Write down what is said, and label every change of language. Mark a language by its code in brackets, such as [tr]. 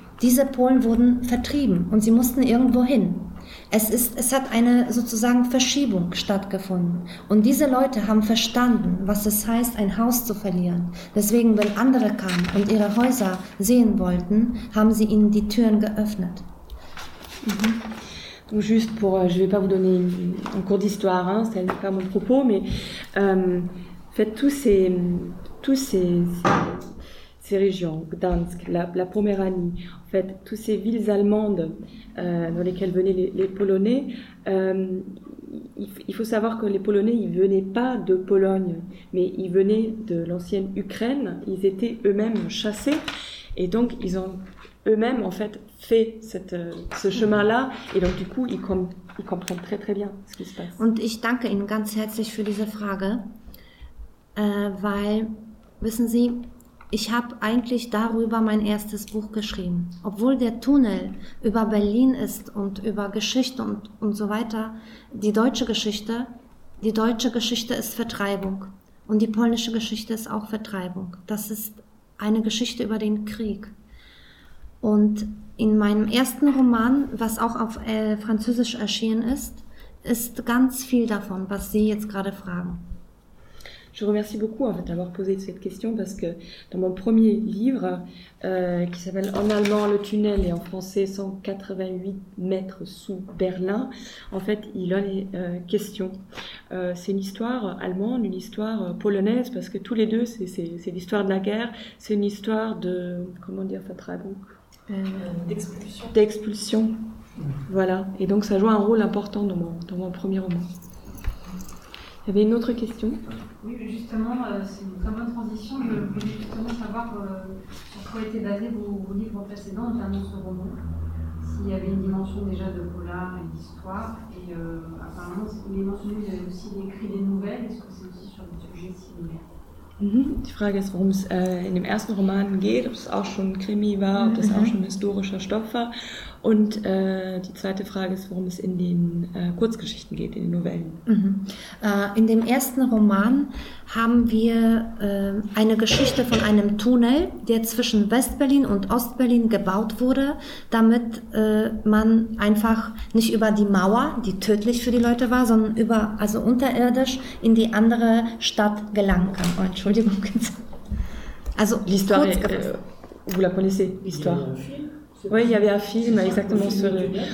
[de] Diese Polen wurden vertrieben und sie mussten irgendwo hin. Es hat eine sozusagen Verschiebung stattgefunden. Und diese Leute haben verstanden, was es heißt, ein Haus zu verlieren. Deswegen, wenn andere kamen und ihre Häuser sehen wollten, haben sie ihnen die Türen geöffnet. Mhm. [fr] Donc juste pour, je vais pas vous donner un cours d'histoire, hein, c'est pas mon propos, mais faites tous ces régions, Gdansk, la Poméranie, en fait, toutes ces villes allemandes dans lesquelles venaient les Polonais, il faut savoir que les Polonais, ils ne venaient pas de Pologne, mais ils venaient de l'ancienne Ukraine, ils étaient eux-mêmes chassés, et donc ils ont eux-mêmes, en fait, fait ce chemin-là, et donc du coup, ils comprennent très très bien ce qui se passe. [de] Und ich danke Ihnen ganz herzlich für diese Frage, weil, wissen Sie, ich habe eigentlich darüber mein erstes Buch geschrieben. Obwohl der Tunnel über Berlin ist und über Geschichte und so weiter, die deutsche Geschichte ist Vertreibung. Und die polnische Geschichte ist auch Vertreibung. Das ist eine Geschichte über den Krieg. Und in meinem ersten Roman, was auch auf Französisch erschienen ist, ist ganz viel davon, was Sie jetzt gerade fragen. [fr] Je remercie beaucoup en fait d'avoir posé cette question parce que dans mon premier livre qui s'appelle en allemand Le tunnel et en français 188 mètres sous Berlin, en fait il en est question. C'est une histoire allemande, une histoire polonaise parce que tous les deux c'est l'histoire de la guerre, c'est une histoire de comment dire d'expulsion. Mmh. Voilà, et donc ça joue un rôle important dans mon premier roman. Il y avait une autre question. Oui, justement, c'est une très bonne transition. Je voulais justement savoir sur quoi étaient basés vos livres précédents, notamment ce roman. S'il y avait une dimension déjà de polar et d'histoire. Et apparemment, il est mentionné que vous avez aussi écrit des nouvelles. Est-ce que c'est aussi sur des sujets similaires? [de] Die Frage ist, worum es in dem ersten Roman geht, ob es auch schon Krimi war, ob das auch schon historischer Stoff war. Und die zweite Frage ist, worum es in den Kurzgeschichten geht, in den Novellen. In dem ersten Roman haben wir eine Geschichte von einem Tunnel, der zwischen West-Berlin und Ost-Berlin gebaut wurde, damit man einfach nicht über die Mauer, die tödlich für die Leute war, sondern über, also unterirdisch in die andere Stadt gelangen kann. Und Entschuldigung. Also, [fr] l'histoire, vous la connaissez, l'histoire. Oui, il y avait un film, exactement, sur le...